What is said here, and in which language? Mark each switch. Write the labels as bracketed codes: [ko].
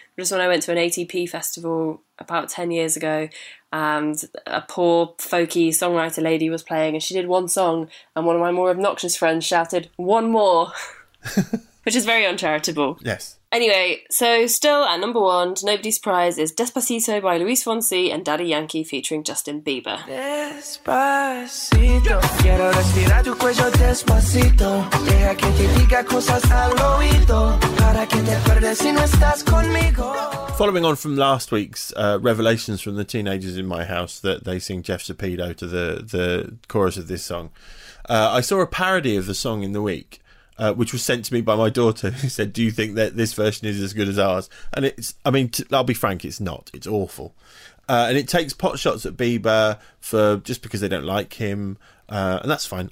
[en] Just when I went to an ATP festival about 10 years ago, and a poor folky songwriter lady was playing, and she did one song, and one of my more obnoxious friends shouted, "One more!" Which is very uncharitable. Yes. Anyway, so still at number 1, to nobody's surprise, is Despacito by Luis Fonsi and Daddy Yankee featuring Justin Bieber. [es] Despacito, quiero respirar tu cuello despacito. Deja que te diga cosas al oído para que te acuerdes si no estás conmigo. [en] Following on from last week's revelations from the teenagers in my house that they sing Jeff Cepedo to the chorus of this song, I saw a parody of the song in the week. Which was sent to me by my daughter, who said, do you think that this version is as good as ours? And it's, I mean, I'll be frank, it's not. It's awful. And it takes pot shots at Bieber for just because they don't like him. And that's fine.